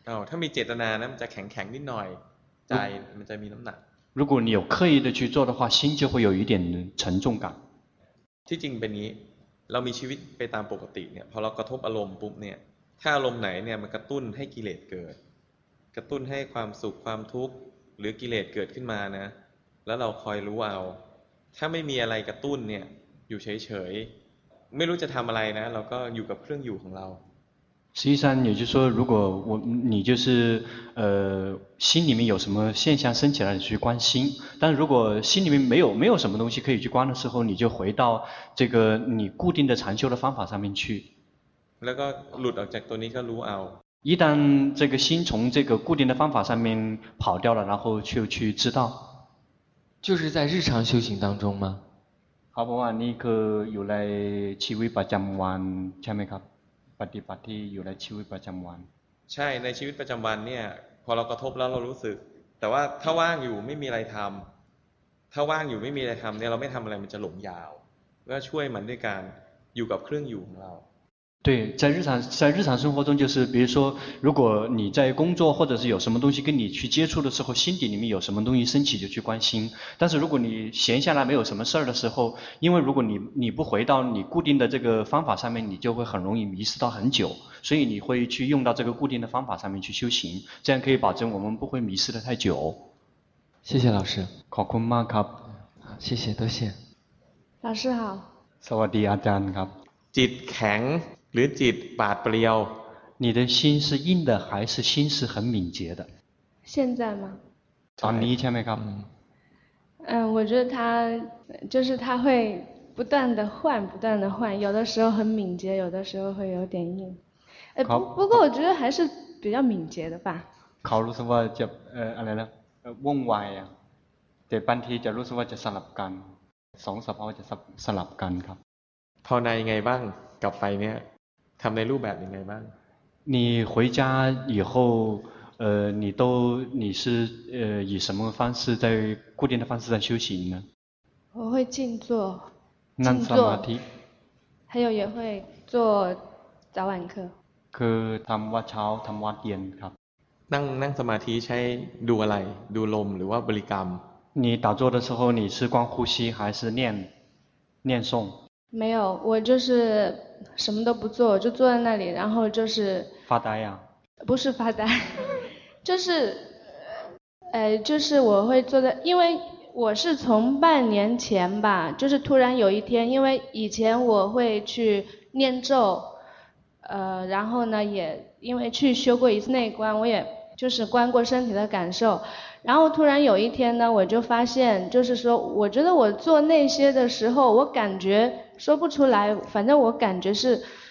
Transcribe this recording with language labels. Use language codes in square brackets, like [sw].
[th] ถ้ามีเจตนานะมันจะแข็งๆนิดหน่อยใจมันจะมีน้ำหนัก [zh] 如果你有刻意的去做的话心就会有一点沉重感 [th] ที่จริงเป็นนี้เรามีชีวิตไปตามปกติเนี่ยพอเรากระทบอารมณ์ปุ๊บเนี่ยถ้าอารมณ์ไหนเนี่ยมันกระตุ้นให้กิเลสเกิดกระตุ้นให้ความสุขความทุกข์หรือกิเลสเกิดขึ้นมานะแล้วเราคอยรู้เอาถ้าไม่มีอะไรกระตุ้นเนี่ยอยู่เฉยๆไม่รู้จะทำอะไรนะเราก็อยู่กับเครื่องอยู่ของเรา สิ่งที่ [zh] 也就是说如果我你就是心里面有什么现象升起来去关心但如果心里面没有什么东西可以去关的时候你就回到这个你固定的禅修的方法上面去 [th] แล้วก็หลุดออกจากตัวนี้ก็รู้เอา [zh] 一旦这个心从这个固定的方法上面跑掉了然后去知道就是在日常修行当中吗 [th] ครับว่านี่คืออยู่ในชีวิตประจำวันใช่ไหมครับปฏิบัติที่อยู่ในชีวิตประจำวัน ใช่ในชีวิตประจำวันเนี่ยพอเรากระทบแล้วเรารู้สึกแต่ว่าถ้าว่างอยู่ไม่มีอะไรทำถ้าว่างอยู่ไม่มีอะไรทำเนี่ยเราไม่ทำอะไรมันจะหลงยาวก็ช่วยมันด้วยการอยู่กับเครื่องอยู่ของเรา [zh] 对在日常生活中就是比如说如果你在工作或者是有什么东西跟你去接触的时候心底里面有什么东西升起就去关心但是如果你闲下来没有什么事儿的时候因为如果你不回到你固定的这个方法上面你就会很容易迷失到很久所以你会去用到这个固定的方法上面去修行这样可以保证我们不会迷失的太久谢谢老师 [th] ขอบคุณมากครับ [zh] 谢谢多谢老师好 [th] สวัสดีอาจารย์ครับ จิตแข็งหรือจิตปาดเปรียว [zh] 你的心是硬的还是心是很敏捷的现在吗 [th] ตอนนี้ใช่ไหมครับ [zh] 我觉得他就是他会不断的换不断的换有的时候很敏捷有的时候会有点硬不过我觉得还是比较敏捷的吧考虑什么 [th] จะอะไรนะวุ่นวายอ่ะแต่บางทีจะรู้สึกว่าจะสลับกันสองสภาวะจะสลับกันครับ ภาวนายังไงบ้างกลับไปเนี่ยทำในรูปแบบยังไงบ้าง [zh] 你回家以后你都你是以什么方式在固定的方式在修行呢我会静坐 [th] นั่งสมาธิ [zh] 还有也会做早晚课 [th] คือทำวัดเช้าทำวัดเย็นครับ นั่งสมาธิใช้ดูอะไรดูลมหรือว่าบริกรรม [zh] 你打坐的时候你是光呼吸还是念诵没有我就是什么都不做就坐在那里然后就是发呆呀、啊、不是发呆就是就是我会坐在因为我是从半年前吧就是突然有一天因为以前我会去念咒然后呢也因为去修过一次内观我也就是观过身体的感受然后突然有一天呢我就发现就是说我觉得我做那些的时候我感觉说不出来反正我感觉是